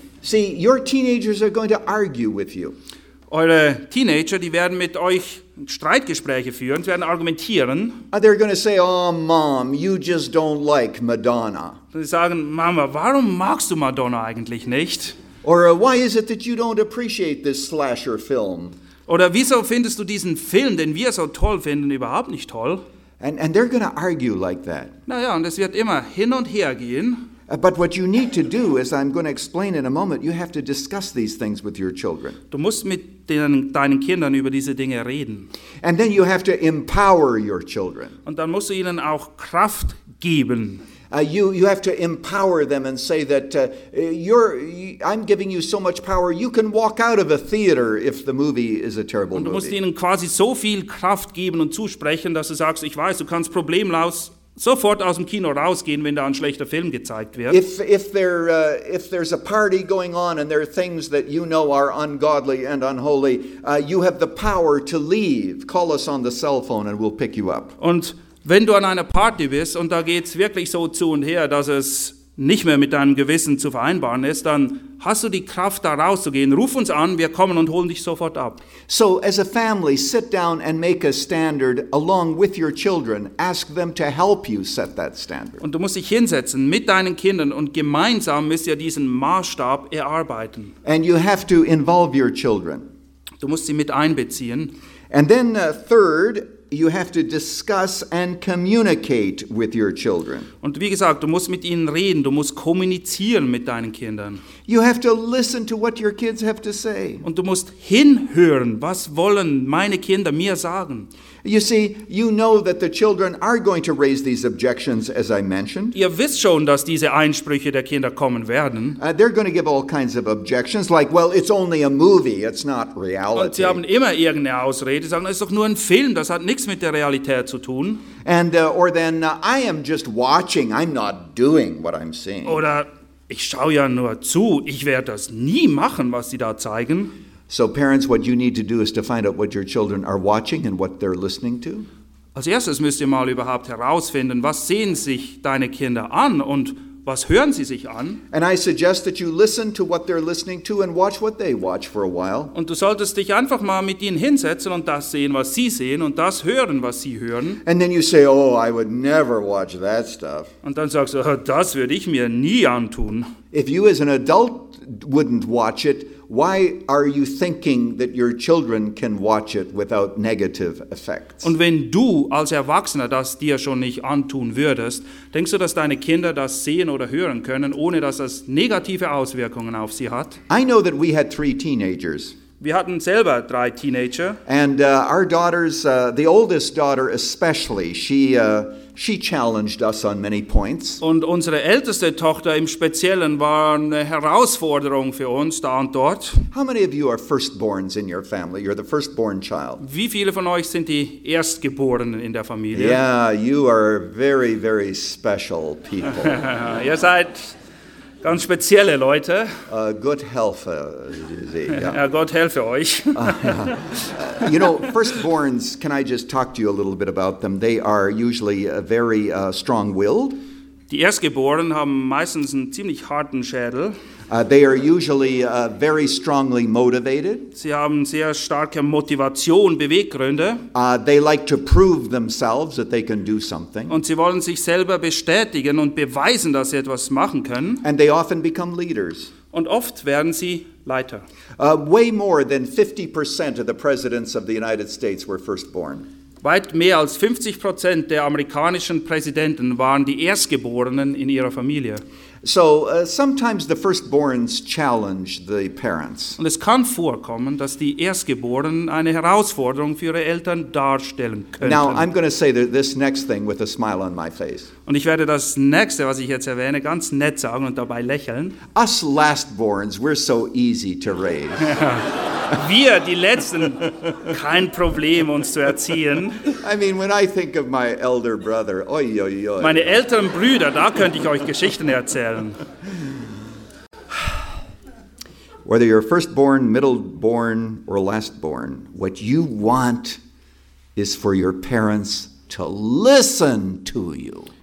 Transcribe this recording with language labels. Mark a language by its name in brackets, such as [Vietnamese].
[English] See, your teenagers are going to argue with you. [German] Eure Teenager, die werden mit euch Streitgespräche führen, sie werden argumentieren. [English] They're going to say, oh, Mom, you just don't like Madonna. [German] Sie sagen, Mama, warum magst du Madonna eigentlich nicht? [English] Or why is it that you don't appreciate this slasher film? [German] Oder wieso findest du diesen Film, den wir so toll finden, überhaupt nicht toll? [English] And they're going to argue like that. [German] Naja, und es wird immer hin und her gehen. [English] But what you need to do, as I'm going to explain in a moment, you have to discuss these things with your children. [German] Du musst mit deinen Kindern über diese Dinge reden. [English] And then you have to empower your children. [German] Und dann musst du ihnen auch Kraft geben. [English] You have to empower them and say that I'm giving you so much power, you can walk out of a theater if the movie is a terrible movie. [German] Und du musst ihnen quasi so viel Kraft geben und zusprechen, dass du sagst, ich weiß, du kannst problemlos sofort aus dem Kino rausgehen, wenn da ein schlechter Film gezeigt wird. [English] If there's a party going on and there are things that you know are ungodly and unholy, you have the power to leave. Call us on the cell phone and we'll pick you up. [German] Und wenn du an einer Party bist und da geht's wirklich so zu und her, dass es nicht mehr mit deinem Gewissen zu vereinbaren ist, dann hast du die Kraft, da rauszugehen. Ruf uns an, wir kommen und holen dich sofort ab. [English] So, as a family, sit down and make a standard along with your children. Ask them to help you set that standard. [German] Und du musst dich hinsetzen mit deinen Kindern und gemeinsam müsst ihr diesen Maßstab erarbeiten. [English] And you have to involve your children. [German] Du musst sie mit einbeziehen. [English] And then third, you have to discuss and communicate with your children. [German] Und wie gesagt, du musst mit ihnen reden, du musst kommunizieren mit deinen Kindern. [English] You have to listen to what your kids have to say. [German] Und du musst hinhören, was wollen meine Kinder mir sagen. [English] You see, you know that the children are going to raise these objections, as I mentioned. [German] Ihr wisst schon, dass diese Einsprüche der Kinder kommen werden. [English] They're going to give all kinds of objections, like, well, it's only a movie, it's not reality. [German] Und sie haben immer irgendeine Ausrede, sagen, es ist doch nur ein Film, das hat nichts mit der Realität zu tun. [English] Or then, I am just watching, I'm not doing what I'm seeing. [German] Oder, ich schaue ja nur zu, ich werde das nie machen, was sie da zeigen. [English] So parents, what you need to do is to find out what your children are watching and what they're listening to. [German] Als erstes müsst ihr mal überhaupt herausfinden, was sehen sich deine Kinder an und was hören sie sich an. [English] And I suggest that you listen to what they're listening to and watch what they watch for a while. [German] Und du solltest dich einfach mal mit ihnen hinsetzen und das sehen, was sie sehen und das hören, was sie hören. [English] And then you say, oh, I would never watch that stuff. [German] Und dann sagst du, das würde ich mir nie antun. [English] If you as an adult wouldn't watch it, why are you thinking that your children can watch it without negative effects? [German] Und wenn du als Erwachsener das dir schon nicht antun würdest, denkst du, dass deine Kinder das sehen oder hören können, ohne dass es negative Auswirkungen auf sie hat? [English] I know that we had three teenagers. [German] Wir hatten selber drei Teenager. [English] And our daughters, the oldest daughter especially, she challenged us on many points. [German] Und unsere älteste Tochter im Speziellen war eine Herausforderung für uns da und dort. [English] How many of you are firstborns in your family? You're the firstborn child. [German] Wie viele von euch sind die Erstgeborenen in der Familie? [English] Yeah, you are very, very special people. [German] Ihr seid ganz spezielle Leute. Gott helfe sie. Ja, Gott helfe euch. [English] You know, firstborns, can I just talk to you a little bit about them? They are usually very strong-willed. [German] Die Erstgeborenen haben meistens einen ziemlich harten Schädel. [English] They are usually very strongly motivated. [German] Sie haben sehr starke Motivation, Beweggründe. [English] They like to prove themselves that they can do something. [German] Und sie wollen sich selber bestätigen und beweisen, dass sie etwas machen können. [English] And they often become leaders. [German] Und oft werden sie Leiter. [English] Way more than 50% of the presidents of the United States were firstborn. [German] Weit mehr als 50% der amerikanischen Präsidenten waren die Erstgeborenen in ihrer Familie. [English] So sometimes the firstborns challenge the parents. [German] Und es kann vorkommen, dass die Erstgeborenen eine Herausforderung für ihre Eltern darstellen könnten. [English] Now I'm going to say that this next thing with a smile on my face. [German] Und ich werde das nächste, was ich jetzt erwähne, ganz nett sagen und dabei lächeln. [English] Us lastborns, we're so easy to raise. [German] Wir, die Letzten, kein Problem, uns zu erziehen. [English] I mean, when I think of my elder brother, oi, oi, oi. [German] Meine älteren Brüder, da könnte ich euch Geschichten erzählen. [English] Whether you're firstborn, middleborn or lastborn, what you want is for your parents to listen to you.